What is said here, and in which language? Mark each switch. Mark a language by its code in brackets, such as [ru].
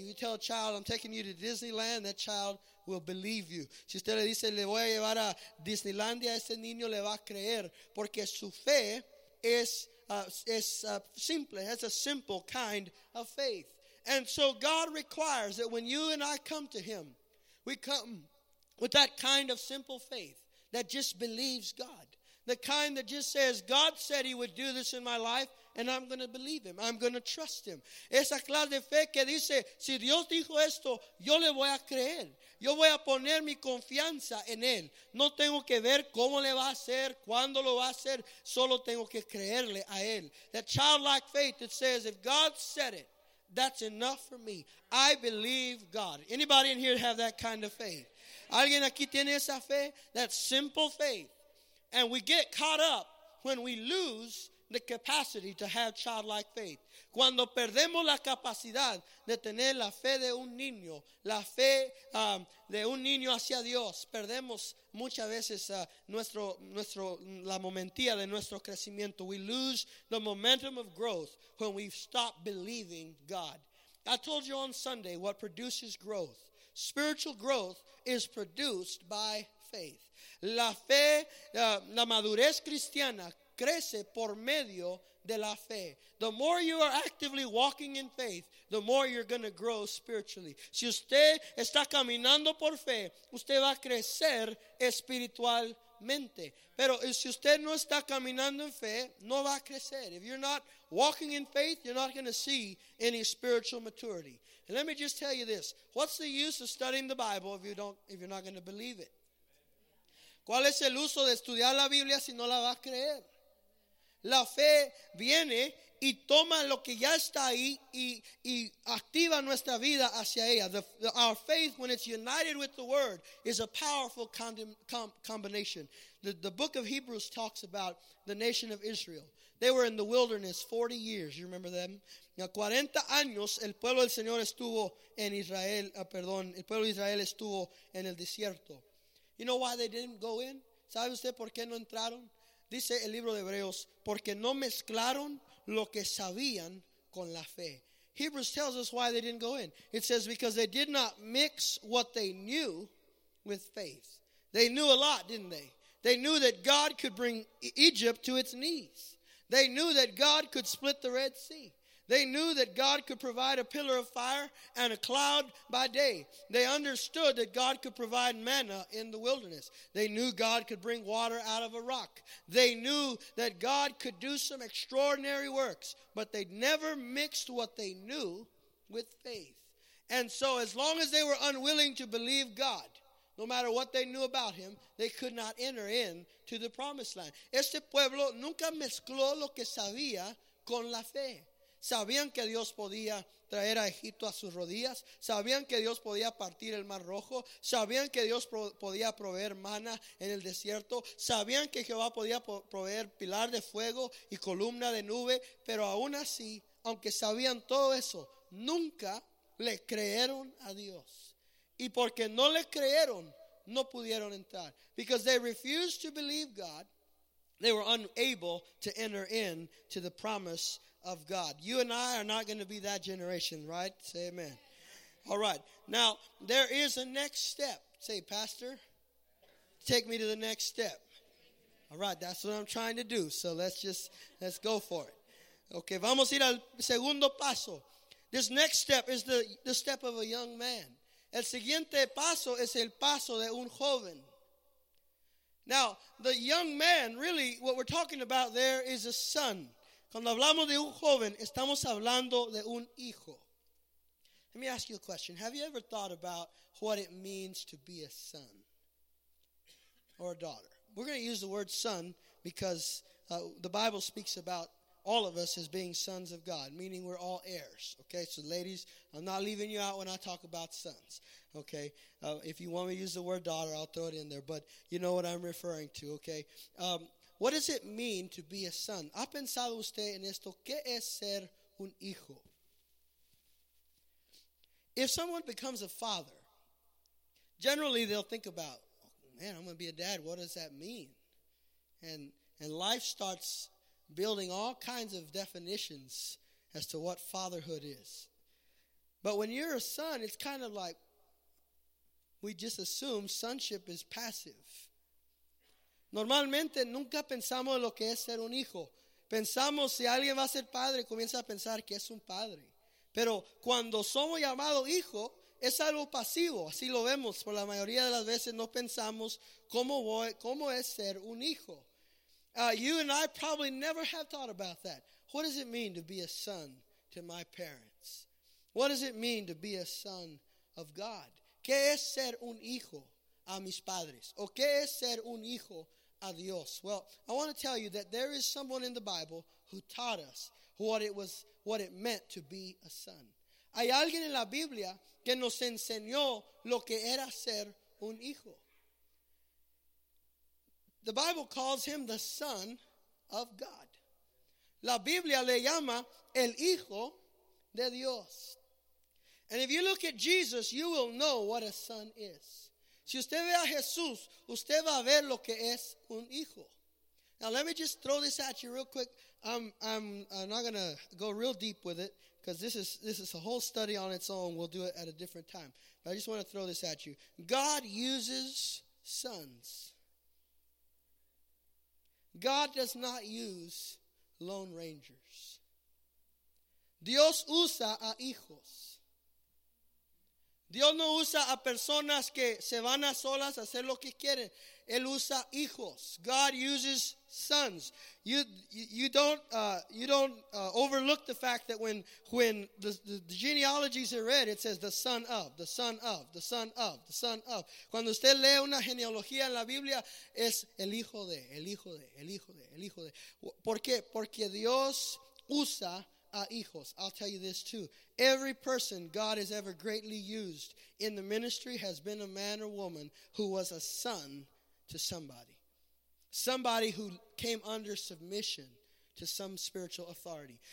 [en] You tell a child, I'm taking you to Disneyland, that child will believe you. [es] Si usted le dice, le voy a llevar a Disneylandia, ese niño le va a creer. Porque su fe es simple. [en] It's a simple kind of faith. And so God requires that when you and I come to him, we come with that kind of simple faith that just believes God. The kind that just says, God said he would do this in my life, and I'm going to believe him. I'm going to trust him. [es] Esa clase de fe que dice, si Dios dijo esto, yo le voy a creer. Yo voy a poner mi confianza en él. No tengo que ver cómo le va a hacer, cuándo lo va a hacer. Solo tengo que creerle a él. [en] That childlike faith that says, if God said it, that's enough for me. I believe God. Anybody in here have that kind of faith? [es] ¿Alguien aquí tiene esa fe? [en] That simple faith. And we get caught up when we lose the capacity to have childlike faith. [es] Cuando perdemos la capacidad de tener la fe de un niño, la fe de un niño hacia Dios, perdemos muchas veces la momentía de nuestro crecimiento. [en] We lose the momentum of growth when we stop believing God. I told you on Sunday what produces growth. Spiritual growth is produced by faith. [es] La fe, la madurez cristiana crece por medio de la fe. [en] The more you are actively walking in faith, the more you're going to grow spiritually. [es] Si usted está caminando por fe, usted va a crecer espiritualmente. Pero si usted no está caminando en fe, no va a crecer. [en] If you're not walking in faith, you're not going to see any spiritual maturity. And let me just tell you this. What's the use of studying the Bible if you're not going to believe it? [es] ¿Cuál es el uso de estudiar la Biblia si no la va a creer? La fe viene y toma lo que ya está ahí y activa nuestra vida hacia ella. [en] Our faith, when it's united with the Word, is a powerful combination. The book of Hebrews talks about the nation of Israel. They were in the wilderness 40 years. You remember them? [es] 40 años el pueblo del Señor estuvo en Israel, el pueblo de Israel estuvo en el desierto. [en] You know why they didn't go in? [es] ¿Sabe usted por qué no entraron? Dice el libro de Hebreos, porque no mezclaron lo que sabían con la fe. [en] Hebrews tells us why they didn't go in. It says because they did not mix what they knew with faith. They knew a lot, didn't they? They knew that God could bring Egypt to its knees. They knew that God could split the Red Sea. They knew that God could provide a pillar of fire and a cloud by day. They understood that God could provide manna in the wilderness. They knew God could bring water out of a rock. They knew that God could do some extraordinary works, but they'd never mixed what they knew with faith. And so as long as they were unwilling to believe God, no matter what they knew about him, they could not enter into the promised land. [es] Este pueblo nunca mezcló lo que sabía con la fe. Sabían que Dios podía traer a Egipto a sus rodillas. Sabían que Dios podía partir el Mar Rojo. Sabían que Dios podía proveer maná en el desierto. Sabían que Jehová podía proveer pilar de fuego y columna de nube. Pero aún así, aunque sabían todo eso, nunca le creyeron a Dios. Y porque no le creyeron, no pudieron entrar. [en] Because they refused to believe God, they were unable to enter in to the promise of God. You and I are not going to be that generation, right? Say amen. All right. Now, there is a next step. Say, Pastor, take me to the next step. All right, that's what I'm trying to do. So let's go for it. [es] Okay, vamos a ir al segundo paso. [en] This next step is the step of a young man. [es] El siguiente paso es el paso de un joven. [en] Now, the young man, really, what we're talking about there is a son. [es] Cuando hablamos de un joven, estamos hablando de un hijo. [en] Let me ask you a question. Have you ever thought about what it means to be a son or a daughter? We're going to use the word son because the Bible speaks about all of us as being sons of God, meaning we're all heirs, okay? So ladies, I'm not leaving you out when I talk about sons, okay? If you want me to use the word daughter, I'll throw it in there, but you know what I'm referring to, okay? What does it mean to be a son? [es] ¿Ha pensado usted en esto? ¿Qué es ser un hijo? [en] If someone becomes a father, generally they'll think about, man, I'm going to be a dad. What does that mean? And life starts building all kinds of definitions as to what fatherhood is. But when you're a son, it's kind of like we just assume sonship is passive. [es] Normalmente nunca pensamos lo que es ser un hijo. Pensamos si alguien va a ser padre, comienza a pensar que es un padre. Pero cuando somos llamados hijo, es algo pasivo. Así lo vemos. Por la mayoría de las veces no pensamos cómo es ser un hijo. [en] You and I probably never have thought about that. What does it mean to be a son to my parents? What does it mean to be a son of God? [es] ¿Qué es ser un hijo a mis padres? ¿O qué es ser un hijo a Dios? [en] Well, I want to tell you that there is someone in the Bible who taught us what it meant to be a son. [es] Hay alguien en la Biblia que nos enseñó lo que era ser un hijo. [en] The Bible calls him the Son of God. [es] La Biblia le llama el Hijo de Dios. [en] And if you look at Jesus, you will know what a son is. [es] Si usted ve a Jesús, usted va a ver lo que es un hijo. [en] Now let me just throw this at you real quick. I'm not going to go real deep with it because this is a whole study on its own. We'll do it at a different time. But I just want to throw this at you. God uses sons. God does not use lone rangers. [es] Dios usa a hijos. Dios no usa a personas que se van a solas a hacer lo que quieren. Él usa hijos. [en] God uses sons. You don't overlook the fact that when the genealogies are read, it says the son of, the son of, the son of, the son of. [es] Cuando usted lee una genealogía en la Biblia, es el hijo de, el hijo de, el hijo de, el hijo de. ¿Por qué? Porque Dios usa a hijos. [en] I'll tell you this too. Every person God has ever greatly used in the ministry has been a man or woman who was a son to somebody. Somebody who came under submission to some spiritual authority.